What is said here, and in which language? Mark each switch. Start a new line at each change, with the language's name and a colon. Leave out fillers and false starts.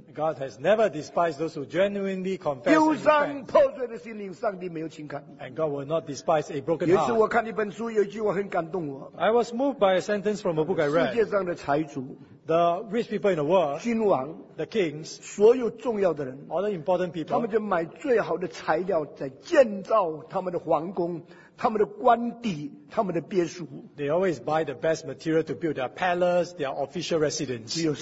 English: God has never despised those who genuinely confess.
Chinese: 忧伤破碎的心灵, 上帝没有轻看,
English: and God will not despise a broken heart.
Chinese: 有时我看一本书, 有一句话很感动我,
English: I was moved by a sentence from a book I read.
Chinese: 世界上的财主,
English: the rich people in the world,
Chinese: 君王,
English: the kings,
Chinese: 所有重要的人,
English: all the important people,
Chinese: 他们就买最好的材料来建造他们的皇宫, 他们的官邸, 他们的别墅,
English: they always buy the best material to build their palace, their official residence.